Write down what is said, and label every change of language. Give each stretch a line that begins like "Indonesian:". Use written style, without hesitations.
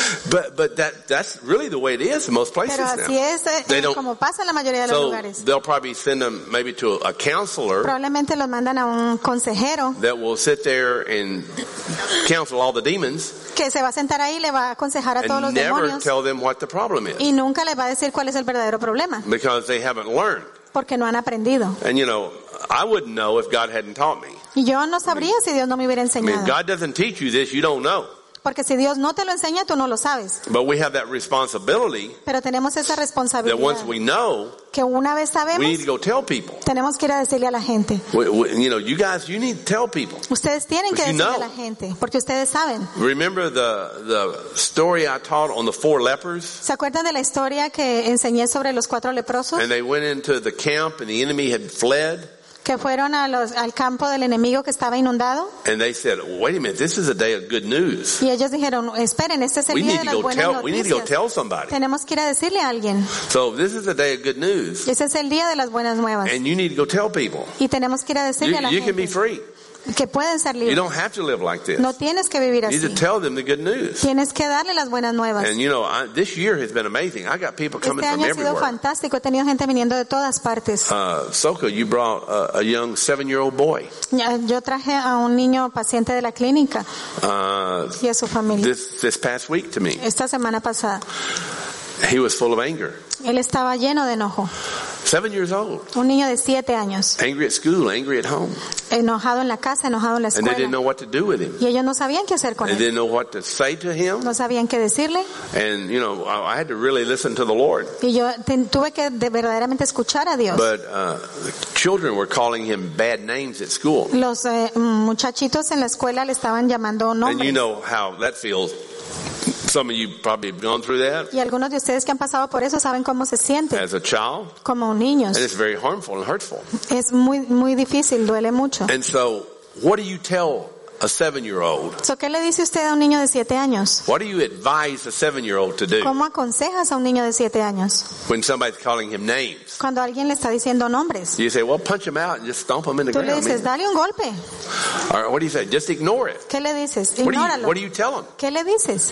English: But that's really the way it is in most places
Spanish: pero así
English: now.
Spanish: Es,
English: they don't,
Spanish: como pasa en la mayoría de
English: so
Spanish: los lugares.
English: They'll probably send them maybe to a counselor.
Spanish: Probablemente los mandan a un consejero.
English: That will sit there and counsel all the demons.
Spanish: Que se va a sentar ahí y le va a aconsejar a todos los demonios.
English: And never tell them what the problem is.
Spanish: Y nunca les va a decir cuál es el verdadero problema.
English: Because they haven't learned.
Spanish: Porque no han aprendido.
English: And you know, I wouldn't know if God hadn't taught me.
Spanish: Y yo no sabría si Dios no me hubiera enseñado.
English: I mean, God doesn't teach you this, you don't know.
Spanish: Porque si Dios no te lo enseña, tú no lo sabes.
English: But we have that responsibility.
Spanish: Pero tenemos esa responsabilidad.
English: That once we know,
Spanish: que una vez sabemos,
English: we need to go tell people.
Spanish: Tenemos que ir a decirle a la gente.
English: You know, you guys, you need to tell people.
Spanish: Ustedes tienen que decirle a la gente, porque ustedes saben.
English: Remember the story I taught on the four lepers?
Spanish: ¿Se acuerdan de la historia que enseñé sobre los cuatro leprosos?
English: And they went into the camp and the enemy had fled.
Spanish: Que fueron a los, al campo del enemigo que estaba inundado.
English: And they said, "Wait a minute, this is a day of good news."
Spanish: Y ellos dijeron, "Esperen, este es el día de las buenas noticias."
English: We need to go tell somebody.
Spanish: Tenemos que ir a decirle a alguien.
English: So this is a day of good news.
Spanish: Ese es el día de las buenas nuevas.
English: And you need to go tell people.
Spanish: Y tenemos que ir a decirle a la gente.
English: You can be free.
Spanish: Que pueden ser libres.
English: You don't have to live like this.
Spanish: No tienes que vivir así.
English: You need to tell them the good news.
Spanish: Tienes que darle las buenas nuevas.
English: And you know, this year has been amazing. I got people coming from everywhere.
Spanish: Este año ha sido fantástico. He tenido gente viniendo de todas partes.
English: Soka, you brought a young 7-year-old boy.
Spanish: Yo traje a un niño paciente de la clínica. Y a su familia.
English: This past week to me.
Spanish: Esta semana pasada.
English: He was full of anger.
Spanish: Él estaba lleno de enojo.
English: 7 years old.
Spanish: Un niño de 7 años.
English: Angry at school, angry at home.
Spanish: Enojado en la casa, enojado en la escuela.
English: And they didn't know what to do with him.
Spanish: Y ellos no sabían qué hacer con él.
English: They didn't know what to say to him.
Spanish: No sabían qué decirle.
English: And you know, I had to really listen to the Lord.
Spanish: Y yo tuve que de verdaderamente escuchar a Dios.
English: But the children were calling him bad names at school.
Spanish: Los muchachitos en la escuela le estaban llamando nombres.
English: And you know how that feels. Some of you probably have gone through that.
Spanish: Y algunos de ustedes que han pasado por eso saben cómo se siente.
English: As a child.
Spanish: Como un niño.
English: And it's very harmful and hurtful.
Spanish: Es muy muy difícil, duele mucho.
English: And so, what do you tell a 7-year-old?
Spanish: So, ¿qué le dice usted a un niño de 7 años?
English: What do you advise a 7-year-old to do?
Spanish: ¿Cómo aconsejas a un niño de 7 años?
English: When somebody's calling him names.
Spanish: Cuando alguien le está diciendo nombres.
English: You say, "Well, punch him out and just stomp him in the
Spanish: tú
English: ground."
Spanish: Tú le dices, "Dale un golpe."
English: Or what do you say? Just ignore it.
Spanish: ¿Qué le dices? Ignóralo.
English: What do you tell him?
Spanish: ¿Qué le dices?